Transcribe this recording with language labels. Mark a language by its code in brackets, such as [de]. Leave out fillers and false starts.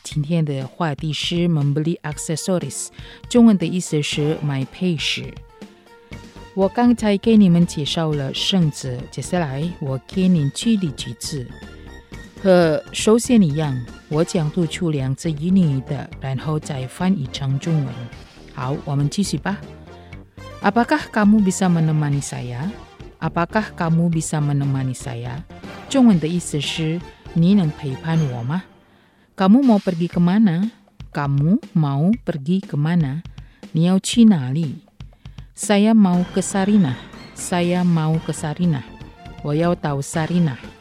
[zh] 今天的话题是 [id] membeli aksesoris， [zh] 中文的意思是买配饰。我刚才给你们介绍了圣旨，接下来我给您举例几次。和首先一样，我讲读出两字印尼的，然后再翻译成中文。好，我们继续吧。 [id] Apakah kamu bisa menemani saya？ Apakah kamu bisa menemani saya? [zh] 中文的意思是你能陪伴我吗？ [id] Kamu mau pergi kemana? Kamu mau pergi kemana? [zh] 你要去哪里？ [id] Saya mau ke Sarinah. Saya mau ke Sarinah. [zh] 我要到 Sarinah.